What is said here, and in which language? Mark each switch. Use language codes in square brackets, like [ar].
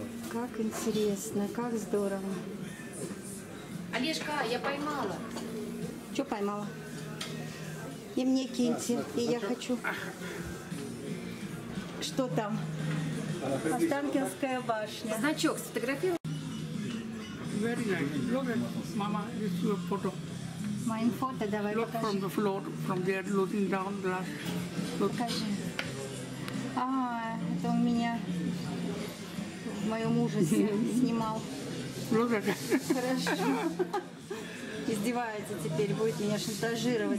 [ru] Как интересно, как здорово. Олежка, я поймала. Что поймала? И мне киньте, и я хочу. Что там? Останкинская башня. Значок сфотографировал? [en] Very nice. Look at mama, this is your photo. My photo, [ru] давай [en] look [ru] покажи. [en] From the floor, from there, looking down glass. Look. [ru] Покажи. А, это у меня, в моем ужасе, снимал. [en] Look at [ru] хорошо. Издевается теперь, будет меня шантажировать.